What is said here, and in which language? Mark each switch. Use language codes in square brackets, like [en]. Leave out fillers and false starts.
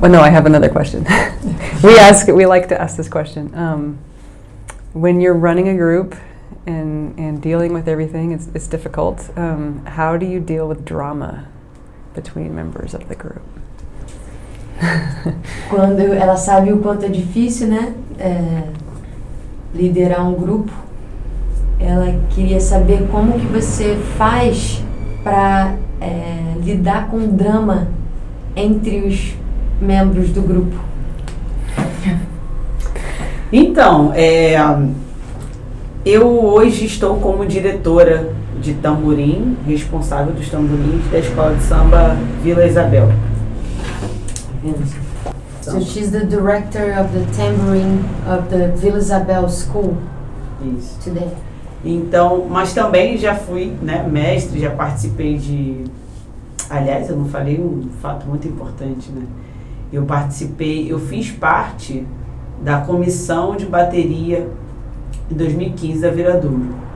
[en] Well, no, I have another question. We like to ask this question. When you're running a group and dealing with everything, it's difficult. How do you deal with drama between members of the group? [pt] Quando ela sabe o quanto é difícil, né, liderar grupo, ela queria saber como que você faz para lidar com drama entre os membros do grupo. Então, eu hoje estou como diretora de tamborim, responsável dos tamborins da escola de samba Vila Isabel. [en] So she's the director of the tambourine of the Vila Isabel School. [pt] Isso. [en] Today. [pt] Então, mas também já fui, né, mestre, já participei de... Aliás, eu não falei um fato muito importante, né? Eu fiz parte da comissão de bateria em 2015 da Viradouro.